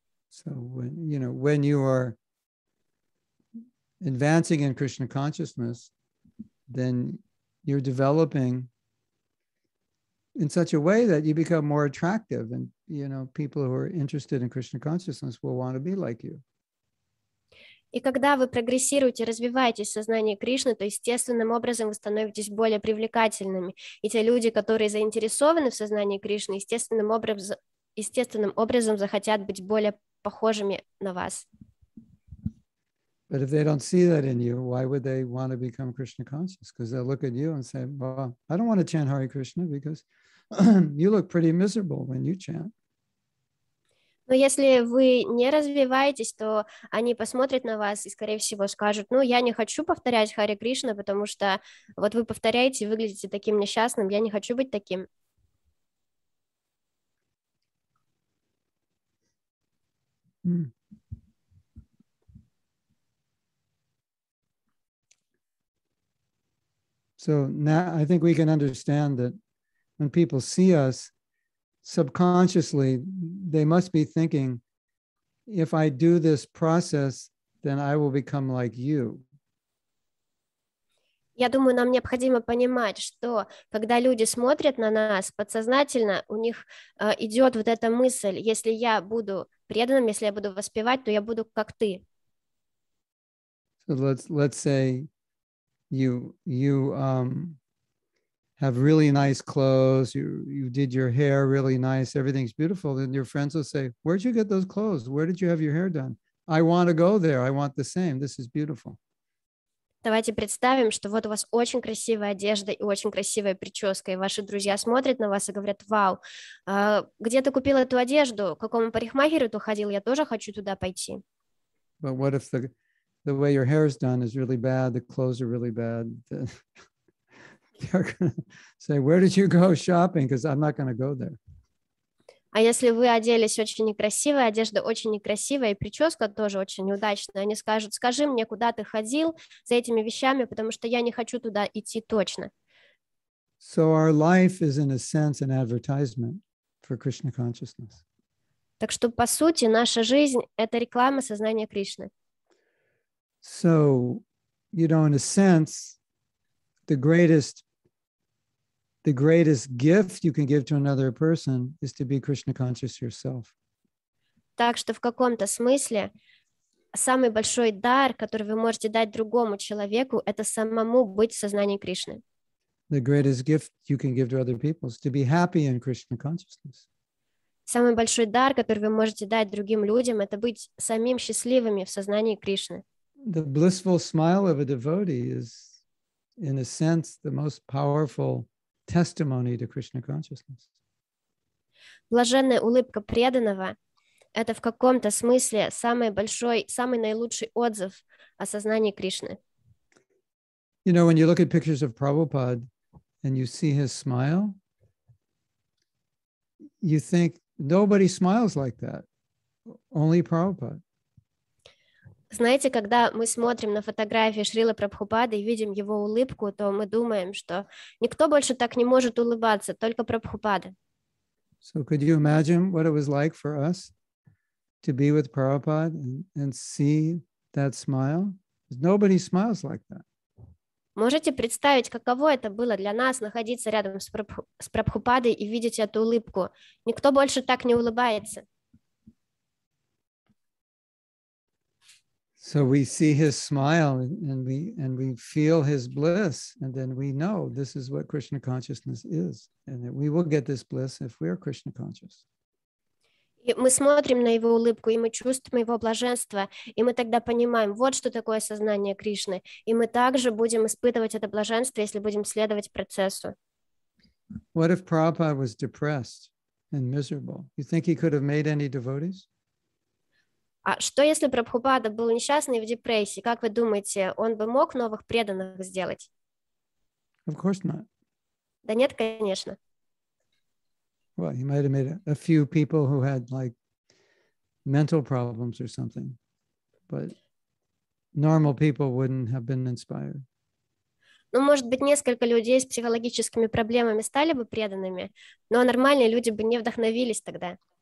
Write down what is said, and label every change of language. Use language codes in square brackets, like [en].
[en] So, you know, when you are advancing in Krishna consciousness, then you're developing in such a way that you become more attractive, and you know, people who are interested in Krishna consciousness will want to be like you. [ru] И когда вы прогрессируете, развиваетесь в сознании Кришны, то естественным образом вы становитесь более привлекательными. И те люди, которые заинтересованы в сознании Кришны, естественным образом захотят быть более похожими на вас. [en] But if they don't see that in you, why would they want to become Krishna conscious? Because they'll look at you and say, well, I don't want to chant Hare Krishna because you look pretty miserable when you chant. [ru] Но если вы не развиваетесь, то они посмотрят на вас и, скорее всего, скажут, ну, я не хочу повторять Харе Кришна, потому что вот вы повторяете и выглядите таким несчастным, я не хочу быть таким. [en] So now I think we can understand that when people see us, subconsciously, they must be thinking, if I do this process, then I will become like you. [ru] Я думаю, нам необходимо понимать, что когда люди смотрят на нас, подсознательно у них идет вот эта мысль, если я буду преданным, если я буду воспевать, то я буду как ты. [en] So let's say you have really nice clothes, you did your hair really nice, everything's beautiful, then your friends will say, where'd you get those clothes? Where did you have your hair done? I want to go there. I want the same. This is beautiful. [ru] Давайте представим, что вот у вас очень красивая одежда и очень красивая прическа, и ваши друзья смотрят на вас и говорят, вау, где ты купил эту одежду? К какому парикмахеру ты ходил? Я тоже хочу туда пойти. [en] But what if the way your hair is done is really bad, the clothes are really bad, say, where did you go shopping? Because I'm not going to go there. [ru] А если вы оделись очень некрасиво, одежда очень некрасивая, и прическа тоже очень неудачная, они скажут, скажи мне, куда ты ходил за этими вещами, потому что я не хочу туда идти точно. [en] So our life is, in a sense, an advertisement for Krishna consciousness. [ru] Так что, по сути, наша жизнь — это реклама сознания Кришны. [en] So, you know, in a sense, the greatest gift you can give to another person is to be Krishna conscious yourself. [ru] Так что в каком-то смысле самый большой дар, который вы можете дать другому человеку, это самому быть в сознании Кришны. [en] The greatest gift you can give to other people is to be happy in Krishna consciousness. [ru] Самый большой дар, который вы можете дать другим людям, это быть самим счастливыми в сознании Кришны. [en] The blissful smile of a devotee is, in a sense, the most powerful testimony to Krishna consciousness. [ru] Блаженная улыбка преданного — это в каком-то смысле самый большой, самый наилучший отзыв о сознании Кришны. [en] You know, when you look at pictures of Prabhupada and you see his smile, you think nobody smiles like that, only Prabhupada. [ru] Знаете, когда мы смотрим на фотографии Шрилы Прабхупады и видим его улыбку, то мы думаем, что никто больше так не может улыбаться, только Прабхупада. [en] So could you imagine what it was like for us to be with Prabhupada and see that smile? Nobody smiles like that. [ru] Можете представить, каково это было для нас находиться рядом с Прабхупадой и видеть эту улыбку? Никто больше так не улыбается. [en] So we see his smile and we feel his bliss, and then we know this is what Krishna consciousness is, and that we will get this bliss if we are Krishna conscious. [ru] И мы смотрим на его улыбку, и мы чувствуем его блаженство, и мы тогда понимаем, вот что такое сознание Кришны, и мы также будем испытывать это блаженство, если будем следовать процессу. [en] What if Prabhupada was depressed and miserable? You think he could have made any devotees? [ru] А что, если Прабхупада был несчастный в депрессии? Как вы думаете, он бы мог новых преданных сделать? [en] Of course not. [ru] Да нет, конечно. [en] Well, he might have made a few people who had like mental problems or something, but normal people wouldn't have been inspired. [ru] Ну, может быть, несколько людей с психологическими проблемами стали бы преданными, но нормальные люди бы не вдохновились тогда.